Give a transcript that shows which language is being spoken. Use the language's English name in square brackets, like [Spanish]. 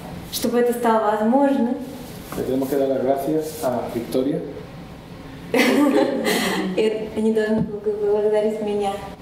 [Russian] чтобы это стало возможно, [Spanish] le tenemos que dar las gracias a Victoria. [Russian] Я не должен благодарить меня.